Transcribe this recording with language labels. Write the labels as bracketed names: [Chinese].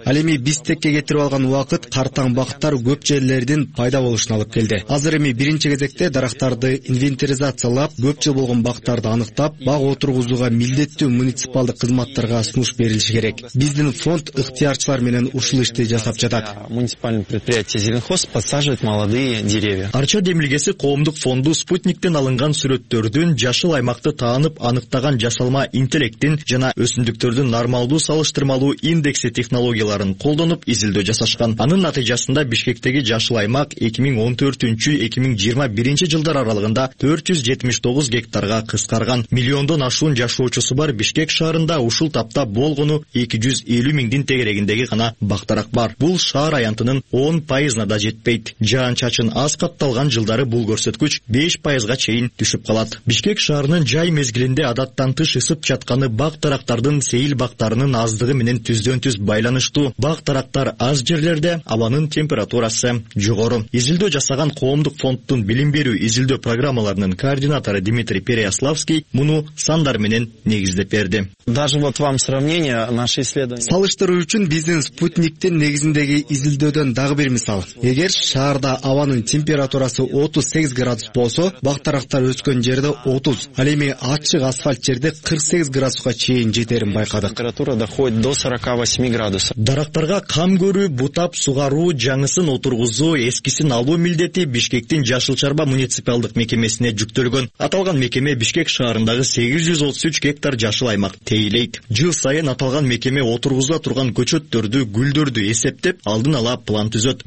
[Kyrgyz] Ал эми бизтекке кетирип алган убакыт картаң бактар көп жерлердин пайда болушуна алып келди. Азыр эми биринчи кезекте дарактарды инвентаризациялап, көп жыл болгон бактарды аныктап, бак отургузууга милдеттүү муниципалдык кызматтарга сунуш берилиши керек. Биздин фонд ыктыярчылар менен ушул ишти жасап жатат. [Russian] Муниципальный предприятие Зеленхоз подсаживает молодые деревья. [Kyrgyz] Арча демилгеси коомдук фонду спутниктен алынган сүрөттөрдүн жашыл аймакты таанып аныктаган жасалма интеллекттин жана өсүмдүктөрдүн нормалдуу салыштырмалуу индекси технологияларын колдонуп изилдөө жасашкан. Анын натыйжасында Бишкектеги жашыл аймак 2014-2021 жылдар аралыгында 479 гектарга кыскарган. Миллиондон ашуун жашоочусу бар Бишкек шаарында ушул тапта болгону 250 миңдин тегерегиндеги гана бактарак бар. Бул шаар аянтынын 10%на да жетпейт. Жаан чачын аз катталган жылдары бул көрсөткүч 5%га чейин түшүп калат. Бишкек шаарынын жай мезгилинде адаттан тыш ысып жатканы бак тарактардын сейил бактарынын аздыгы менен түздөн-түз байланыштуу. Бак тарактар аз жерлерде абанын температурасы жогору. Изилдөө жасаган коомдук фонддун билим берүү изилдөө программаларынын координатору Дмитрий Переяславский муну сандар менен негиздеп берди. [Russian] Даже вот вам сравнение наши исследования. [Kyrgyz] Салыштыруу үчүн биздин спутниктин негизиндеги изилдөөдөн дагы бир мисал. Эгер шаарда абанын температурасы 38 градус болсо, бак тарактар өскөн жерде 30, ал эми ачык асфальт жерде 48 градуска чейин жетерин байкадык. [Russian] Температура доходит до 48 градусов. [Kyrgyz] Дарактарга кам көрүү, бутап, сугаруу, жаңысын отургузуу, эскисин алуу милдети Бишкектин жашыл чарба муниципалдык мекемесине жүктөлгөн. Аталган мекеме Бишкек шаарындагы 833 гектар жашыл аймак тейлейт. Жыл сайын аталган мекеме отургуза турган көчөттөрдү, гүлдөрдү эсептеп, алдын ала план түзөт.